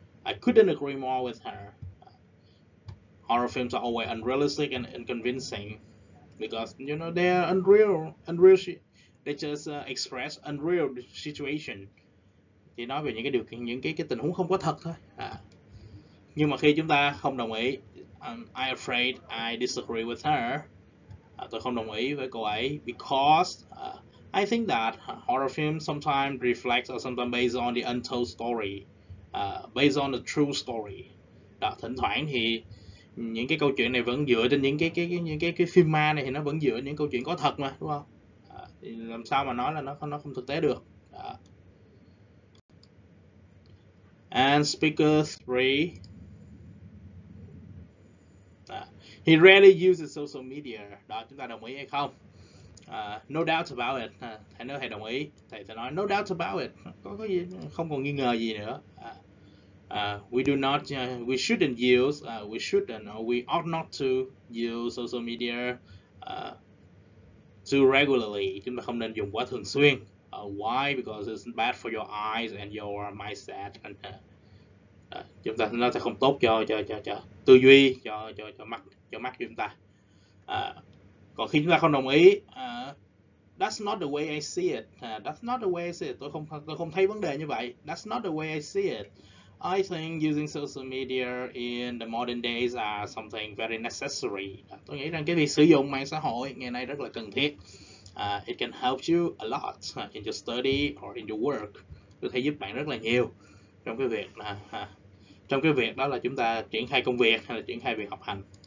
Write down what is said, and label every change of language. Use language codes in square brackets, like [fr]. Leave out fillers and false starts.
[en] I couldn't agree more with her. Horror films are always unrealistic and unconvincing. Because, you know, they are unreal, they just express unreal situation. [vi] Chỉ nói về những cái điều kiện, những cái tình huống không có thật thôi. Nhưng mà khi chúng ta không đồng ý, [en] I'm afraid I disagree with her. [vi] Tôi không đồng ý với cô ấy [en] because I think that horror films sometimes reflect or sometimes based on the untold story, based on the true story. [vi] Đó, thỉnh thoảng thì những cái câu chuyện này vẫn dựa trên những cái phim ma này thì nó vẫn dựa những câu chuyện có thật mà, đúng không? Thì làm sao mà nói là nó không thực tế được. [en] And speaker 3. He rarely uses social media. [vi] Đó, chúng ta đồng ý hay không? [en] No doubt about it. [vi] Thầy nói thầy đồng ý. Thầy sẽ nói [en] no doubt about it. [vi] Có gì không còn nghi ngờ gì nữa. [en] We ought not to use social media too regularly. [vi] Chúng ta không nên dùng quá thường xuyên. [en] Why? Because it's bad for your eyes and your mindset. [vi] Chúng ta nó sẽ không tốt cho tư duy, cho mắt chúng ta. Còn khi chúng ta không đồng ý, [en] that's not the way I see it. That's not the way I see it. [vi] Tôi không thấy vấn đề như vậy. [en] That's not the way I see it. I think using social media in the modern days are something very necessary. [vi] Tôi nghĩ rằng cái việc sử dụng mạng xã hội ngày nay rất là cần thiết. [en] It can help you a lot in your study or in your work. [vi] Có thể giúp bạn rất là nhiều trong cái việc là trong cái việc đó là chúng ta triển khai công việc hay là triển khai việc học hành.